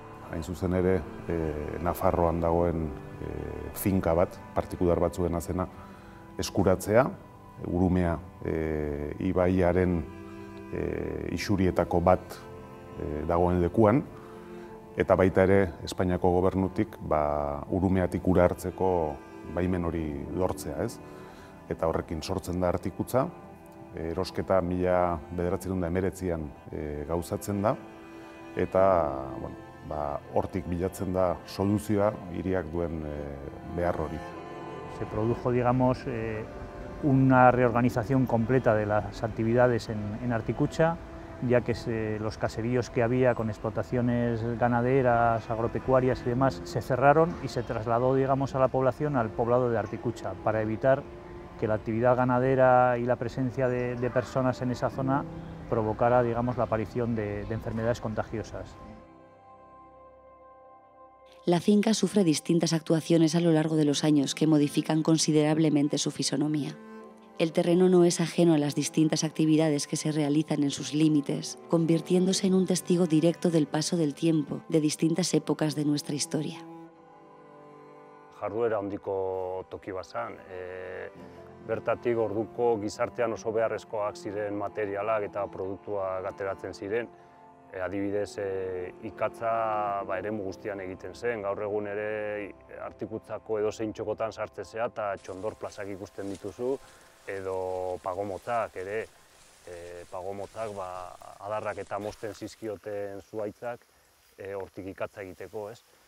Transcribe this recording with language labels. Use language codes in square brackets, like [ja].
[eu] Hain zuzen ere, Nafarroan dagoen finka bat, partikular batzuen azena, eskuratzea, Urumea ibaiaren isurietako bat dagoen lekuan, eta baita ere, Espainiako gobernutik, ba, Urumeatik ura hartzeko baimen hori lortzea, ez? Eta horrekin sortzen da Artikutza, erosketa 1919an gauzatzen da eta bueno, ba, hortik bilatzen da soluzioa hiriak duen behar hori. [es] Se produjo digamos una reorganización completa de las actividades en Artikutza ya que los caseríos que había con explotaciones ganaderas, agropecuarias y demás, se cerraron y se trasladó, digamos, a la población, al poblado de Articucha, para evitar que la actividad ganadera y la presencia de personas en esa zona provocara, digamos, la aparición de enfermedades contagiosas. La finca sufre distintas actuaciones a lo largo de los años que modifican considerablemente su fisonomía. El terreno no es ajeno a las distintas actividades que se realizan en sus límites, convirtiéndose en un testigo directo del paso del tiempo de distintas épocas de nuestra historia. [eu] Jarduera handiko toki bazan, bertatik orduko gizartean oso beharrezkoak ziren materialak eta produktuak ateratzen ziren. Adibidez, ikatza eremu guztian egiten zen, gaur egun ere Artikutzako edozein txokotan sartzen zea eta txondor plazak ikusten dituzu, edo pagomotzak ere, pagomotzak adarrak eta mozten zizkioten zuhaitzak hortik ikatza egiteko, ez?